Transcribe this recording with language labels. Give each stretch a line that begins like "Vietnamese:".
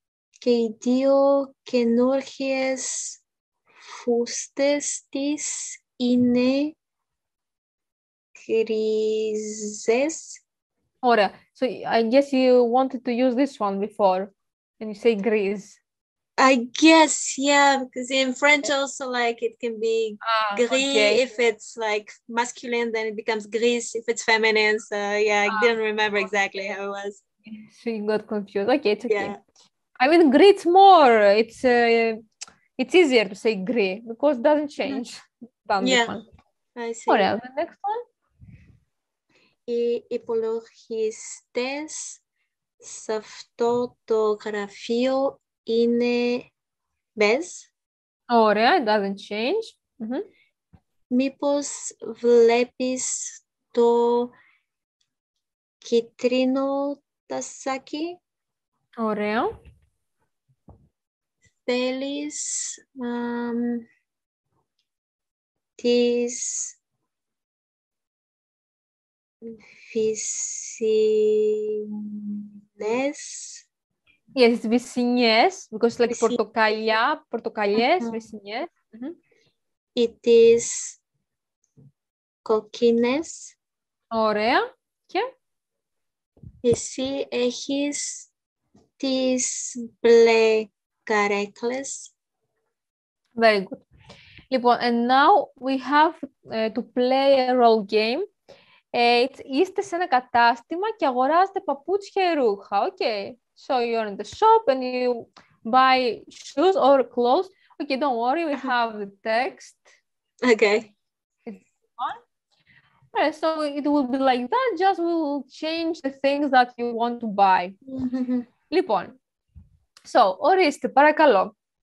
Greek: Και οι δύο καινούργιες φούστες της είναι γκρίζες. Ωραία.
English: So, I guess you wanted to use this one before. And you say grease. I guess, yeah. Because in French also, like, it can be gris. Okay. If it's, like, masculine, then it becomes grease. If it's feminine, so, yeah, I didn't remember exactly how it was. So, you got confused. Okay, it's okay. Yeah. I mean, grit more. It's easier to say gri because it doesn't change. Than yeah, this one. I see.
Greek: Ωραία,
English: the next one.
Greek: Οι υπολογιστές σε αυτό το γραφείο είναι μπες. Ωραία,
English: it doesn't change. Mm-hmm.
Greek: Μήπως βλέπεις το κίτρινο τασάκι. Ωραία. Θέλεις τις βυσσινές.
English: Yes, it's
Greek: βυσσινές,
English: because it's like
Greek: πορτοκαλιά, πορτοκαλιές, βυσσινές.
English: Mm-hmm. It is
Greek: κοκκίνες. Ωραία. Και? Εσύ έχεις τις μπλε καρέκλες.
English: Very good.
Greek: Λοιπόν,
English: and now we have to play a role game.
Greek: Είστε σε ένα κατάστημα και αγοράζετε παπούτσια ή ρούχα.
English: Okay, so you're in the shop and you buy shoes or clothes. Okay, don't worry, we have the text. Okay. All right, so it will be like that, just will change the things that you want to buy.
Greek: Λοιπόν,
English: so,
Greek: ορίστε, παρακαλώ.